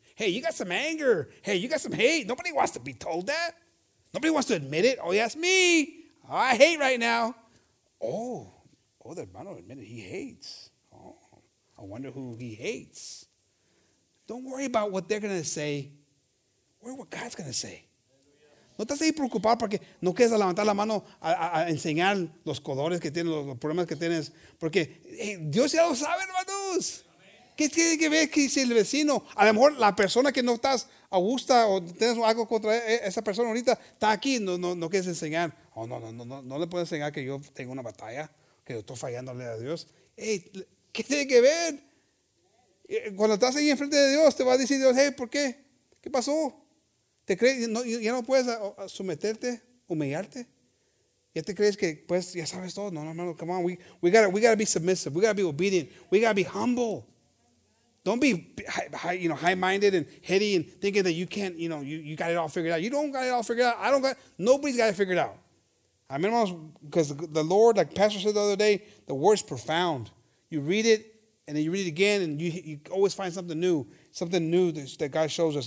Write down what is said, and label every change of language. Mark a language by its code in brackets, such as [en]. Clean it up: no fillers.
[en] Hey, you got some anger. Hey, you got some hate. Nobody wants to be told that. Nobody wants to admit it. Oh, yes, me. I hate right now. Oh, the hermano admitted he hates. Oh, I wonder who he hates. Don't worry about what they're going to say. Worry what God's going to say. [es] No estás ahí preocupado porque no quieres levantar la mano a enseñar los colores que tienes, los problemas que tienes. Porque hey, Dios ya lo sabe, hermanos. ¿Qué tiene que ver que si el vecino, a lo mejor la persona que no estás a gusto o tienes algo contra esa persona ahorita, está aquí, no quieres enseñar? Oh, no le puedo enseñar que yo tengo una batalla, que yo estoy fallándole a Dios. Hey, ¿qué tiene que ver? Cuando estás ahí enfrente de Dios, te va a decir Dios, hey, ¿por qué? ¿Qué pasó? ¿Te crees? No, ¿ya no puedes someterte, humillarte? ¿Ya te crees que pues ya sabes todo? [en] No, come on, we gotta be submissive, we gotta be obedient, we gotta be humble. Don't be high-minded and heady and thinking that you can't, you got it all figured out. You don't got it all figured out. Nobody's got it figured out. I mean, because the Lord, like Pastor said the other day, the word is profound. You read it, and then you read it again, and you always find something new that God shows us.